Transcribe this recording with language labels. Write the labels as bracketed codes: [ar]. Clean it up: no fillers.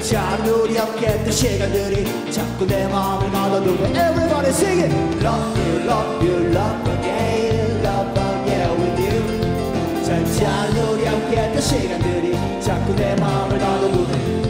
[ko] 잘 우리 함께했던 시간들이 자꾸 내 마음을 가둬두고 [en] Everybody sing it. Love you, love you, love again, love again with you. [ko] 잘 우리 함께했던 시간들이 자꾸 내 마음을 가둬두고.